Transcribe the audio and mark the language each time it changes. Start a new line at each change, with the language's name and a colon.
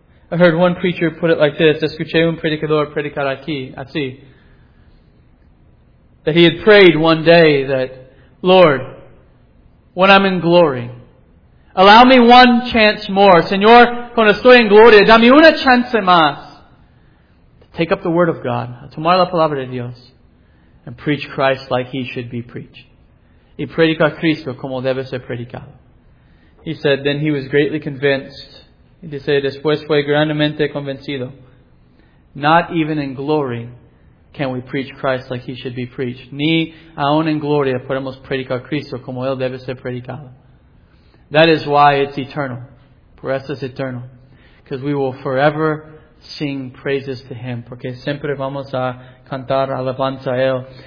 English: I heard one preacher put it like this.
Spanish: Escuché un predicador predicar aquí. Así.
English: That he had prayed one day that, Lord, when I'm in glory, allow me one chance more.
Spanish: Señor, cuando estoy en gloria, dame una chance más.
English: To take up the word of God,
Spanish: a tomar la palabra de Dios,
English: and preach Christ like he should be preached.
Spanish: Y predica Cristo como debe ser predicado.
English: He said, then he was greatly convinced. He said,
Spanish: después fue grandemente convencido.
English: Not even in glory can we preach Christ like he should be preached.
Spanish: Ni aun en gloria podemos predicar Cristo como él debe ser predicado.
English: That is why it's eternal.
Spanish: Por eso es eternal.
English: Because we will forever sing praises to him.
Spanish: Porque siempre vamos a cantar alabanza a él.